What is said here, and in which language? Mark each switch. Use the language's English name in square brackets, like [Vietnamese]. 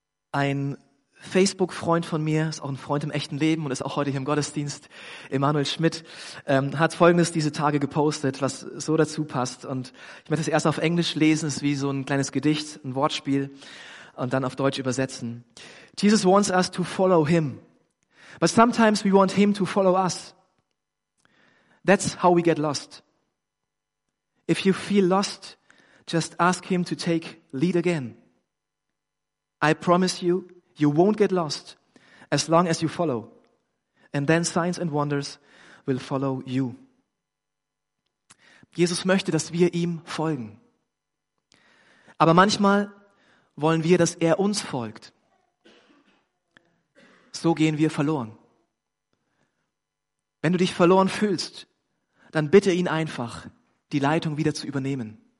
[German] Ein Facebook-Freund von mir, ist auch ein Freund im echten Leben und ist auch heute hier im Gottesdienst, Emanuel Schmidt, hat Folgendes diese Tage gepostet, was so dazu passt. Und ich möchte es erst auf Englisch lesen, ist wie so ein kleines Gedicht, ein Wortspiel, und dann auf Deutsch übersetzen. [English] Jesus wants us to follow him, but sometimes we want him to follow us. That's how we get lost. If you feel lost, just ask him to take lead again. I promise you, you won't get lost as long as you follow. And then signs and wonders will follow you. [German] Jesus möchte, dass wir ihm folgen. Aber manchmal wollen wir, dass er uns folgt. So gehen wir verloren. Wenn du dich verloren fühlst, dann bitte ihn einfach, die Leitung wieder zu übernehmen.